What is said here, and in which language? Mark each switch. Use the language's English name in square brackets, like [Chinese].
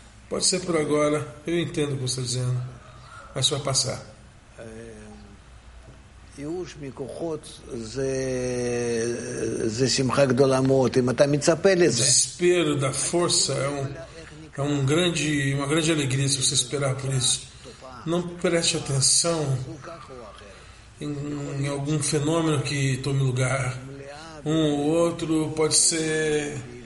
[Portuguese] Pode ser por agora. Eu entendo o que você está dizendo. Mas vai passar. [Hebrew] יאוש מכוחות זה זה שמחה גדולה מאוד. אם אתה מצפה לזה. [Portuguese] Desespero da força é um grande, uma grande alegria se você esperar por isso. Não preste atenção em algum fenômeno que tome lugar. Um ou outro pode ser